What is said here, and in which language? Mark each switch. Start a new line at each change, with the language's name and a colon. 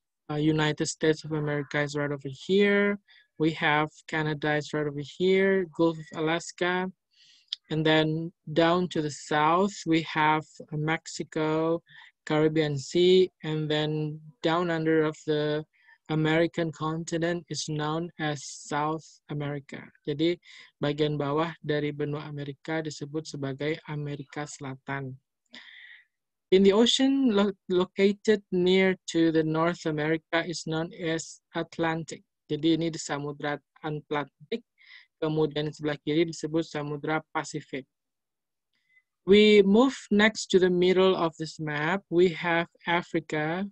English: United States of America is right over here. We have Canada is right over here, Gulf of Alaska. And then down to the south, we have Mexico, Caribbean Sea, and then down under of the American continent is known as South America.
Indonesian: Jadi bagian bawah dari benua Amerika disebut sebagai Amerika Selatan.
English: In the ocean located near to the North America is known as Atlantic.
Indonesian: Jadi ini di Samudra Atlantik. Kemudian sebelah kiri disebut Samudra Pasifik.
English: We move next to the middle of this map. We have Africa.